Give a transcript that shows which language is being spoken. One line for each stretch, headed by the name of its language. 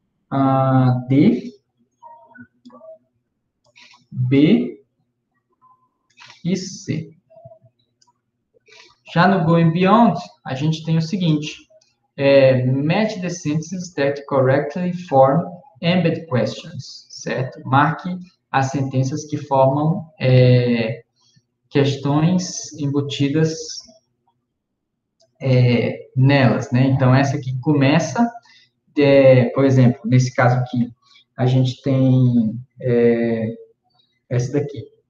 Portuguese: A D B e C. Já no Going Beyond, a gente tem o seguinte.
English: Match the sentences that correctly form embed questions, certo?
Portuguese: Marque as sentenças que formam questões embutidas nelas, né? Então, essa aqui começa, por exemplo, nesse caso aqui, a gente tem essa daqui.